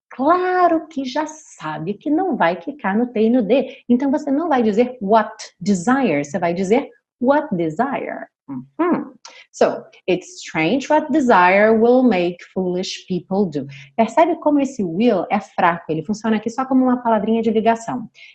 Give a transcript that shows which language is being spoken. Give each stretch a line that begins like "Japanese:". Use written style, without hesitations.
Portuguese: Claro que já sabe que não vai ficar no T e no D. Então, você não vai dizer
English: what desire.
Portuguese: Você vai dizer what desire. Uhum.
English: So, it's strange what desire will make foolish people do.
Portuguese: Percebe como esse will é fraco. Ele funciona aqui só como uma palavrinha de ligação.